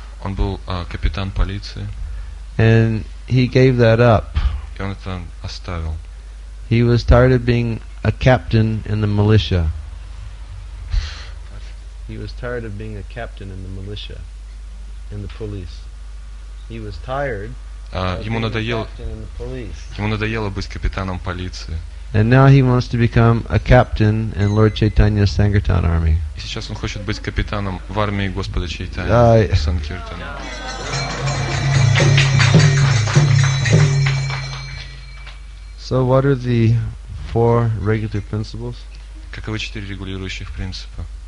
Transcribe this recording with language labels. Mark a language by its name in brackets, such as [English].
[Russian] Он был капитан полиции. [English] And he gave that up. [Russian] И он это оставил. [English] He was tired of being a captain in the militia. He was tired of being a captain in the militia, in the police. He was tired [Russian] Ему надоело быть капитаном полиции. [English] And now he wants to become a captain in Lord Chaitanya's Sankirtan army. [Russian] И сейчас он хочет быть капитаном в армии Господа Чайтаньи Санкиртана. [English] So what are the four regulative principles? [Russian] Каковы четыре регулирующих принципа?